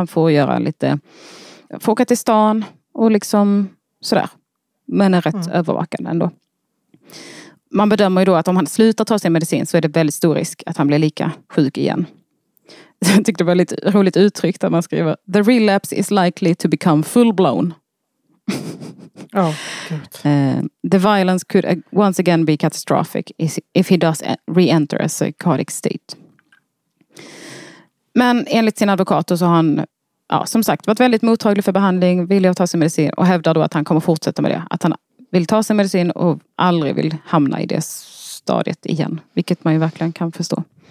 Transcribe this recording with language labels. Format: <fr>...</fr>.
<sv>Han får göra lite, få åka till stan och liksom sådär. Men är rätt övervakad ändå. Man bedömer ju då att om han slutar ta sin medicin så är det väldigt stor risk att han blir lika sjuk igen. Jag tyckte det var lite roligt uttryckt att man skriver</sv> <en>"The relapse is likely to become full-blown." Oh, "The violence could once again be catastrophic if he does re-enter a psychotic state."</en> <sv>Men enligt sin advokat så har han, ja, som sagt, varit väldigt mottaglig för behandling, villig att ta sin medicin och hävdar då att han kommer fortsätta med det. Att han vill ta sin medicin och aldrig vill hamna i det stadiet igen. Vilket man ju verkligen kan förstå.</sv>